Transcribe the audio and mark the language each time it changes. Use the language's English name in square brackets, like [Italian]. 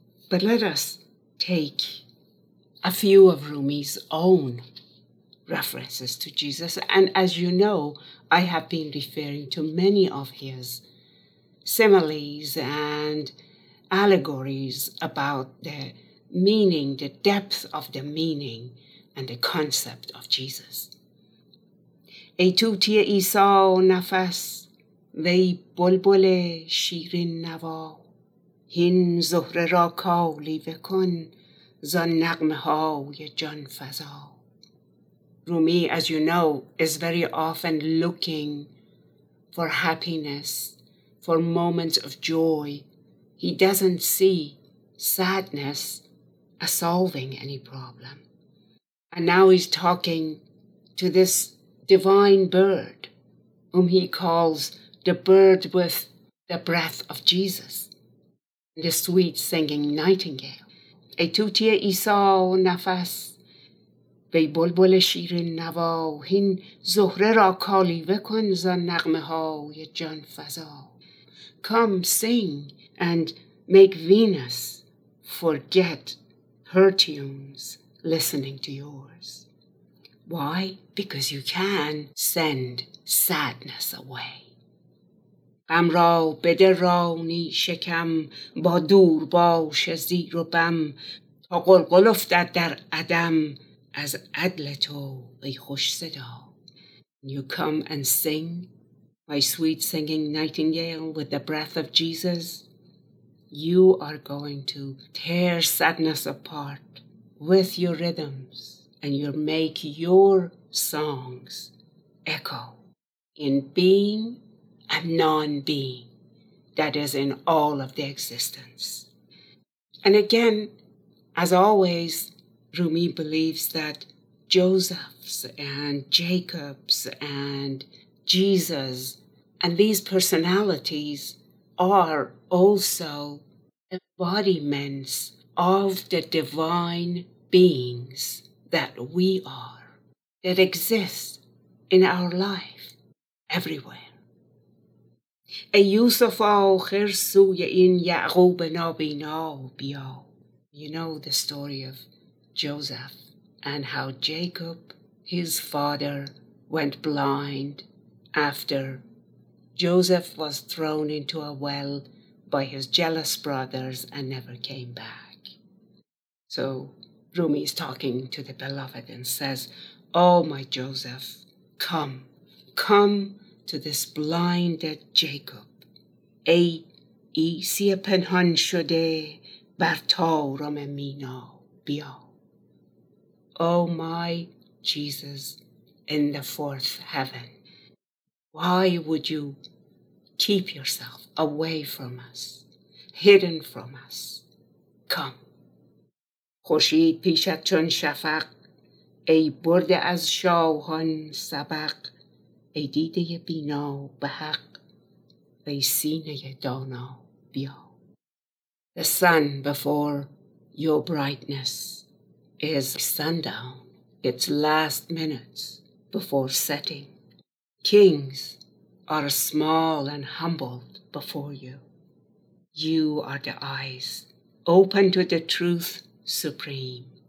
[English] But let us take a few of Rumi's own references to Jesus. And as you know, I have been referring to many of his similes and allegories about the meaning, the depth of the meaning and the concept of Jesus. [Persian] ای توتی عیسی نفس، وی بلبل شیرین نوا، هین زهره را کالی بکن زان نغمه های جان فضا. [English] Rumi, as you know, is very often looking for happiness, for moments of joy. He doesn't see sadness as solving any problem. And now he's talking to this divine bird, whom he calls the bird with the breath of Jesus, the sweet singing nightingale. [Persian] ای توتی عیسی نفس، وی بلبل شیرین نوا، هین زهره را کالیوه کن زان نغمه های جان فضا. [English] Come sing and make Venus forget her tunes listening to yours. Why? Because you can send sadness away. [Persian] غم را بده رانی شکم با دور باش زیر و بم، تا قلقل افتد در عدم از عدل تو ای خوش صدا. [English] You come and sing, my sweet singing nightingale, with the breath of Jesus. You are going to tear sadness apart with your rhythms. And you make your songs echo in being and non-being, that is, in all of the existence. And again, as always, Rumi believes that Joseph's and Jacob's and Jesus and these personalities are also embodiments of the divine beings that we are, that exists in our life, everywhere. [Persian] ای یوسف آخر سوی این یعقوب نابینا بیا. [English] You know the story of Joseph and how Jacob, his father, went blind after Joseph was thrown into a well by his jealous brothers and never came back. So Rumi is talking to the beloved and says, oh, my Joseph, come to this blinded Jacob. [Persian] ای عیسی پنهان شده بر طارم مینا بیا. [English] Oh, my Jesus in the fourth heaven, why would you keep yourself away from us, hidden from us? Come. [Persian] خوشید پیشت چون شفق، ای برده از شاهان سبق، ای دیده بینا به حق، ای سینه دانا بیا. [English] The sun before your brightness is sundown, its last minutes before setting. Kings are small and humbled before you. You are the eyes open to the truth supreme.